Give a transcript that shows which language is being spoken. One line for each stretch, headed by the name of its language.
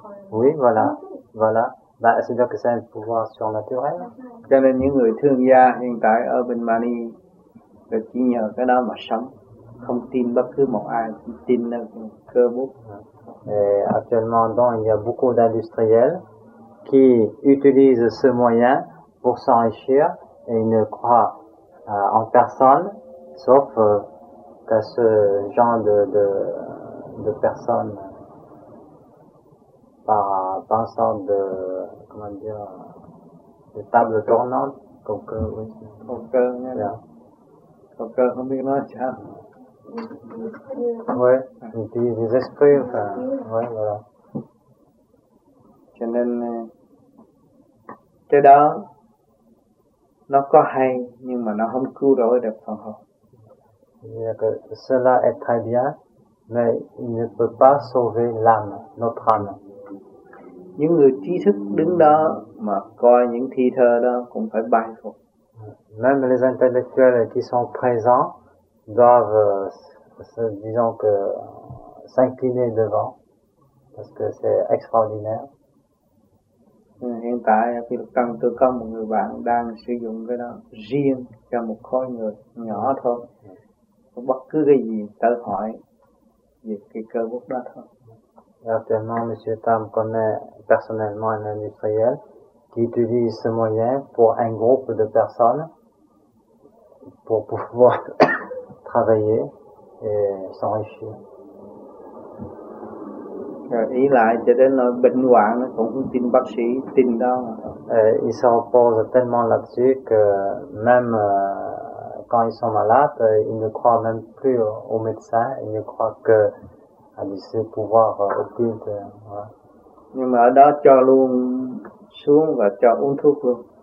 French: Oui, voilà. Bah, c'est-à-dire que c'est un pouvoir surnaturel.
Vietnamese: Cho nên những người thương gia hiện tại ở bên Mani chỉ nhờ cái đó mà sống, không tin bất cứ một ai, chỉ tin cơ bút.
French: Et actuellement, donc, il y a beaucoup d'industriels qui utilisent ce moyen pour s'enrichir et ils ne croient en personne, sauf qu'à ce genre de personnes. Par un sort de, comment dire, de table tournante, coqueur, oui. Coqueur, oui.
English: Yeah.
French: Coqueur, on dit non, tiens. Oui, on dit des esprits, enfin, oui, voilà.
Vietnamese: Cho nên, cái đó, nó có hay, nhưng mà nó không cứu rỗi được phần hồn.
French: C'est-à-dire que cela est très bien, mais il ne peut pas sauver l'âme, notre âme.
Vietnamese: Những người trí thức đứng đó mà coi những thi thơ đó cũng phải bài phục.
French: Même les intellectuels qui sont présents doivent, disons que, s'incliner devant, parce que c'est extraordinaire.
Vietnamese: Hiện tại thì cần tôi có một người bạn đang sử dụng cái đó riêng cho một khối người nhỏ thôi. Bất cứ cái gì tự hỏi về cái cơ bút đó thôi.
French: Actuellement, M. Tam connaît personnellement un industriel qui utilise ce moyen pour un groupe de personnes pour pouvoir travailler et s'enrichir. Il se repose tellement là-dessus que même quand ils sont malades, ils ne croient même plus aux médecins, ils ne croient que à ce pouvoir occulte.
Vietnamese: Nhưng mà ở đó cho luôn xuống và cho uống thuốc luôn.